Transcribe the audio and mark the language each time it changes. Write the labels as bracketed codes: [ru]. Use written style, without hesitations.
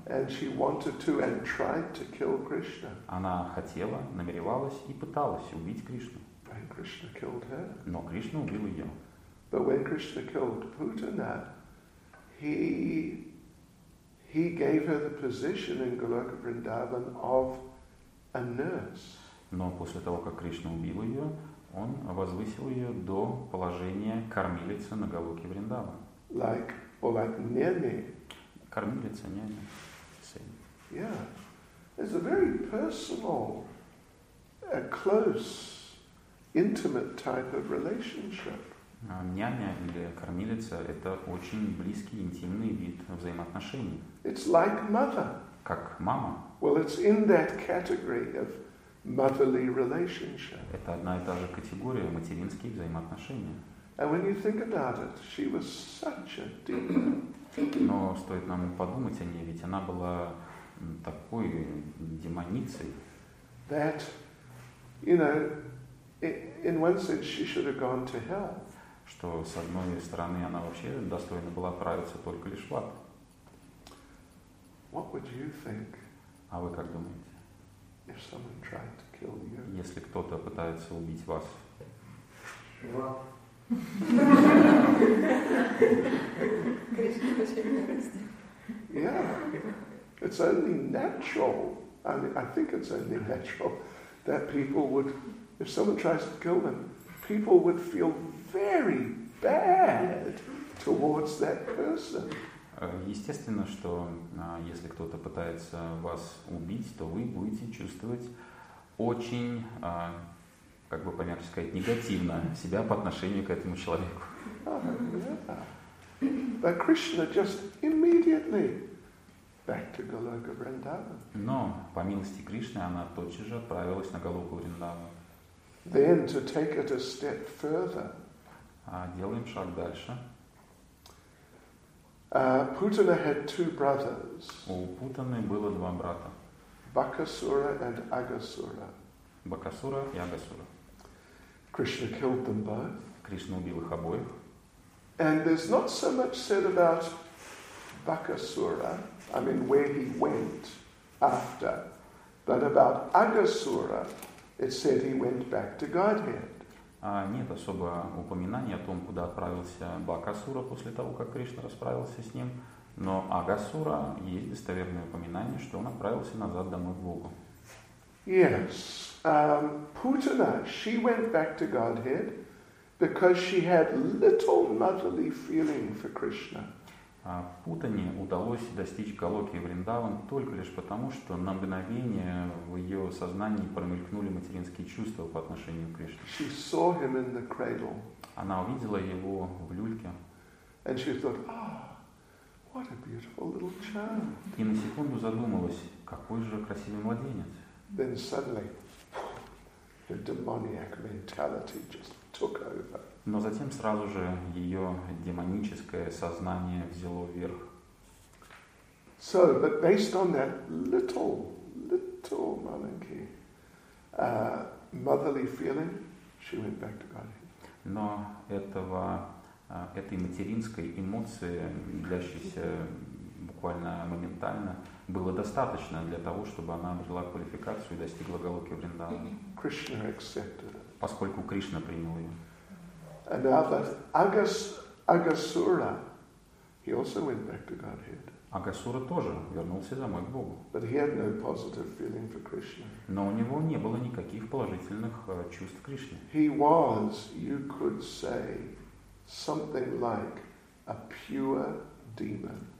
[en] And she wanted to and tried to kill Krishna. [ru] Она хотела, намеревалась и пыталась убить Кришну. [en] And Krishna killed her. [ru] Но Кришна убил ее. [en] But when Krishna killed Putana, he gave her the position in Goloka Vrindavan of a nurse. [ru] Но после того, как Кришна убил ее, он возвысил ее до положения кормилицы на Голоке Вриндава. [en] Like, or like Nemi. [ru] Кормилица, няня. [en] Same. Yeah. It's a very personal, a close, intimate type of relationship. [ru] Няня или кормилица – это очень близкий, интимный вид взаимоотношений. [en] It's like mother. [ru] Как мама. [en] Well, it's in that category of motherly relationship. [ru] Это одна и та же категория – материнские взаимоотношения. [en] And when you think about it, she was such a demon. [ru] Но стоит нам подумать о ней, ведь она была такой демоницей. [en] That, you know, in one sense she should have gone to hell. [ru] Что с одной стороны она вообще достойна была отправиться только лишь в ад. [en] What would you think? [ru] А вы как думаете? [en] If someone tried to kill you. [ru] Если кто-то пытается убить вас. [en] Yeah, it's only natural. I mean, I think it's only natural that people would, if someone tries to kill them, people would feel very bad towards that person. [ru] Естественно, что если кто-то пытается вас убить, то вы будете чувствовать очень, как бы помягче сказать, негативно себя по отношению к этому человеку. [en] But Krishna just immediately back to Goloka Vrindavan. [ru] Но по милости Кришны она тотчас же отправилась на Голоку Вриндаван. [en] Then to take it a step further. [ru] Делаем шаг дальше. [en] Putana had two brothers. [ru] У Путаны было два брата. [en] Bakasura and Agasura. [ru] Bakasura и Agasura. [en] Krishna killed them both. [ru] Кришна убил их обоих. [en] And there's not so much said about Bakasura, I mean where he went after, but about Agasura, it said he went back to Godhead. [ru] Нет особо упоминаний о том, куда отправился Бакасура после того, как Кришна расправился с ним, но Агасура есть достоверное упоминание, что он отправился назад домой к Богу. [en] Yes, Putana, she went back to Godhead. Because she had little motherly feeling for Krishna. [ru] Путане удалось достичь Голоки и Вриндаван только лишь потому, что на мгновение в ее сознании промелькнули материнские чувства по отношению к Кришне. [en] She saw him in the cradle. [ru] Она увидела его в люльке. [en] And she thought, oh, what a beautiful little child. [ru] И на секунду задумалась, какой же красивый младенец. [en] Then suddenly, the demoniac mentality just took over. [ru] Но затем сразу же ее демоническое сознание взяло вверх. [en] So, but based on that little [ru] маленький [en] motherly feeling, she went back to Godhead. [ru] Но этой материнской эмоции, длящейся буквально моментально, было достаточно для того, чтобы она обрела квалификацию и достигла Голоки Вриндавана. [en] Krishna accepted. [ru] Поскольку Кришна принял ее. [en] And now that Agasura, he also went back to Godhead. [ru] Агасура тоже вернулся домой к Богу. [en] But he had no positive feeling for Krishna. [ru] Но у него не было никаких положительных чувств к Кришне. [en] He was, you could say, something like a pure demon.